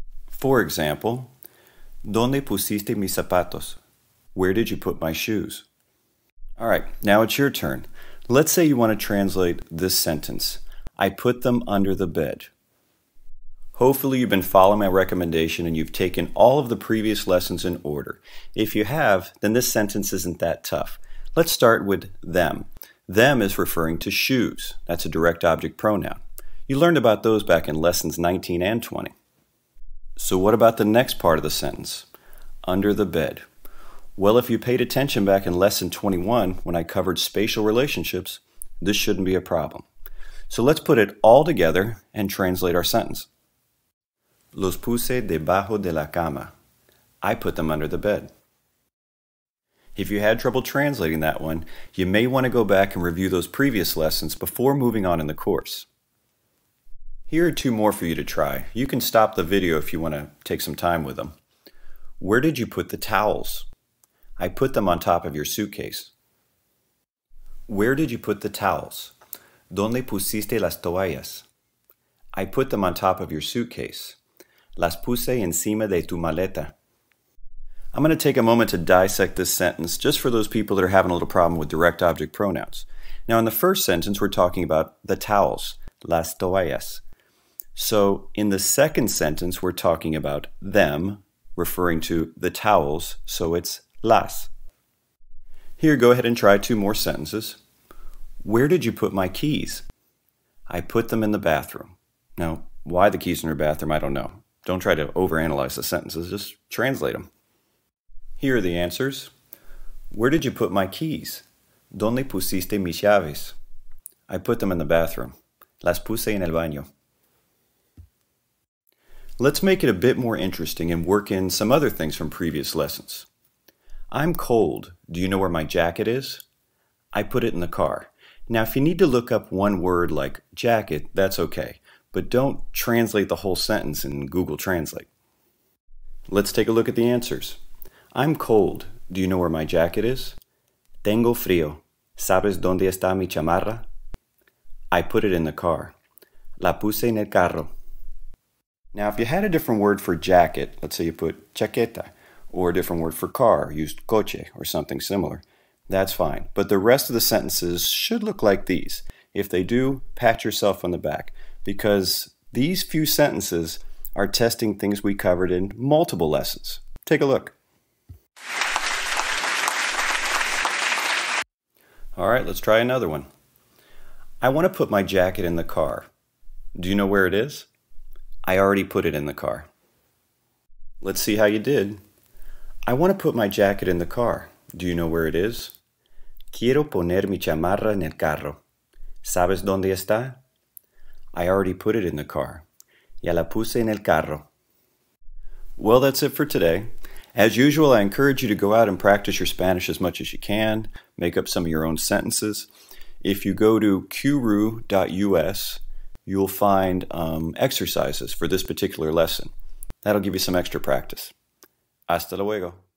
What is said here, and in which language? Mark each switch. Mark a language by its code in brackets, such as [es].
[en] For example, [es] ¿Dónde pusiste mis zapatos? [en] Where did you put my shoes? All right, now it's your turn. Let's say you want to translate this sentence. I put them under the bed. Hopefully you've been following my recommendation and you've taken all of the previous lessons in order. If you have, then this sentence isn't that tough. Let's start with them. Them is referring to shoes. That's a direct object pronoun. You learned about those back in lessons 19 and 20. So what about the next part of the sentence? Under the bed. Well, if you paid attention back in lesson 21 when I covered spatial relationships, this shouldn't be a problem. So let's put it all together and translate our sentence. [es] Los puse debajo de la cama. [en] I put them under the bed. If you had trouble translating that one, you may want to go back and review those previous lessons before moving on in the course. Here are two more for you to try. You can stop the video if you want to take some time with them. Where did you put the towels? I put them on top of your suitcase. Where did you put the towels? [es] ¿Dónde pusiste las toallas? [en] I put them on top of your suitcase. [es] Las puse encima de tu maleta. [en] I'm going to take a moment to dissect this sentence just for those people that are having a little problem with direct object pronouns. Now, in the first sentence, we're talking about the towels, [es] las toallas. [en] So, in the second sentence, we're talking about them, referring to the towels, so it's las. Here, go ahead and try two more sentences. Where did you put my keys? I put them in the bathroom. Now, why the keys in your bathroom, I don't know. Don't try to overanalyze the sentences, just translate them. Here are the answers. Where did you put my keys? [es] ¿Dónde pusiste mis llaves? [en] I put them in the bathroom. [es] Las puse en el baño. [en] Let's make it a bit more interesting and work in some other things from previous lessons. I'm cold. Do you know where my jacket is? I put it in the car. Now, if you need to look up one word like jacket, that's okay. But don't translate the whole sentence in Google Translate. Let's take a look at the answers. I'm cold. Do you know where my jacket is? [es] Tengo frío. ¿Sabes dónde está mi chamarra? [en] I put it in the car. [es] La puse en el carro. [en] Now, if you had a different word for jacket, let's say you put chaqueta, or a different word for car, used coche, or something similar, that's fine. But the rest of the sentences should look like these. If they do, pat yourself on the back. Because these few sentences are testing things we covered in multiple lessons. Take a look. All right, let's try another one. I want to put my jacket in the car. Do you know where it is? I already put it in the car. Let's see how you did. I want to put my jacket in the car. Do you know where it is? [es] Quiero poner mi chamarra en el carro. ¿Sabes dónde está? [en] I already put it in the car. [es] Ya la puse en el carro. [en] Well, that's it for today. As usual, I encourage you to go out and practice your Spanish as much as you can. Make up some of your own sentences. If you go to kuru.us, you'll find exercises for this particular lesson. That'll give you some extra practice. [es] Hasta luego.